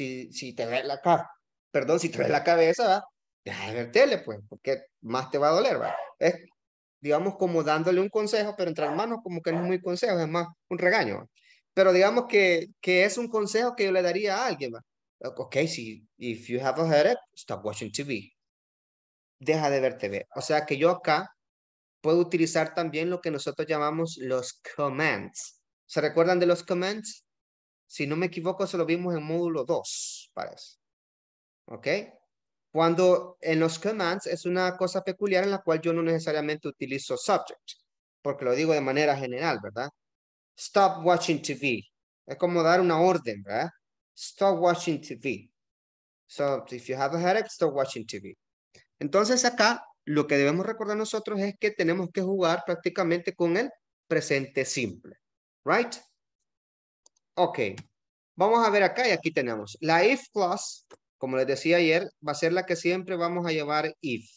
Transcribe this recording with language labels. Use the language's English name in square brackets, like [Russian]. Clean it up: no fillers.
[Spanish] Si te ves la cabeza, deja de ver tele, pues, porque más te va a doler, ¿verdad? Es, digamos, como dándole un consejo, pero entre hermanos como que no es muy consejo, es más un regaño, ¿verdad? Pero digamos que es un consejo que yo le daría a alguien, ¿verdad? [English] Ok, si, if you have a headache, stop watching TV. [Spanish] Deja de ver TV. O sea que yo acá puedo utilizar también lo que nosotros llamamos los commands. ¿Se recuerdan de los commands? Si no me equivoco, se lo vimos en módulo 2, parece. ¿Ok? Cuando en los commands es una cosa peculiar en la cual yo no necesariamente utilizo subject, porque lo digo de manera general, ¿verdad? [English] Stop watching TV. [Spanish] Es como dar una orden, ¿verdad? [English] Stop watching TV. So, if you have a headache, stop watching TV. [Spanish] Entonces, acá, lo que debemos recordar nosotros es que tenemos que jugar prácticamente con el presente simple. Right? Ok. Vamos a ver acá y aquí tenemos. La if clause, como les decía ayer, va a ser la que siempre vamos a llevar if.